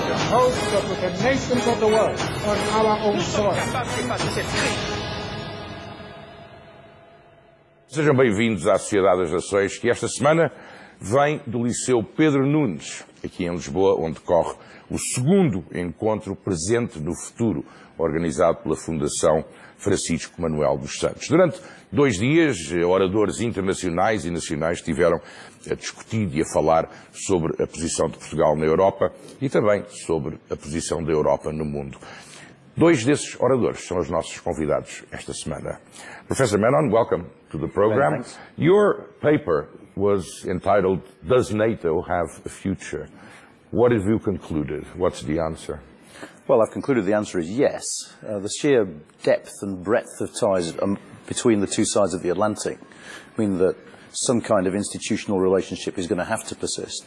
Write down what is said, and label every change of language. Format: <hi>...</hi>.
<en>The hopes of the nations of the world on our own soil.</en> <pt>Sejam bem-vindos à Sociedade das Nações, que esta semana vem do Liceu Pedro Nunes, aqui em Lisboa, onde corre o segundo encontro presente no futuro, organizado pela Fundação Francisco Manuel dos Santos. Durante dois dias, oradores internacionais e nacionais tiveram a discutir e a falar sobre a posição de Portugal na Europa e também sobre a posição da Europa no mundo. Dois desses oradores são os nossos convidados esta semana.</pt> <en>Professor Menon, welcome to the program. Your paper was entitled, Does NATO Have a Future? What have you concluded? What's the answer? Well, I've concluded the answer is yes. The sheer depth and breadth of ties between the two sides of the Atlantic mean that some kind of institutional relationship is going to have to persist.</en>